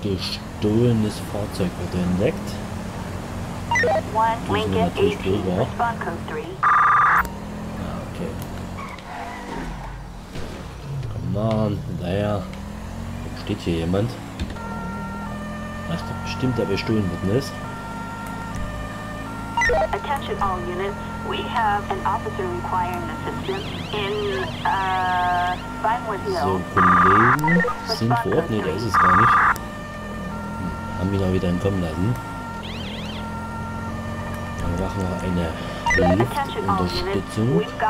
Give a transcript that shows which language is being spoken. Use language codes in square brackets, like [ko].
[de] Gestohlenes Fahrzeug wurde entdeckt. Das ist natürlich Dover. Okay. Come on, hinterher. Steht hier jemand? Ach, da bestimmt der bestohlen worden ist. [en] Attention all units, we have an officer requiring assistance in, Vinewood Hill. [de] So, Kollegen sind vor Ort? Nee, da ist es gar nicht. Haben wir noch wieder entkommen lassen. Dann machen wir eine Luftunterstützung.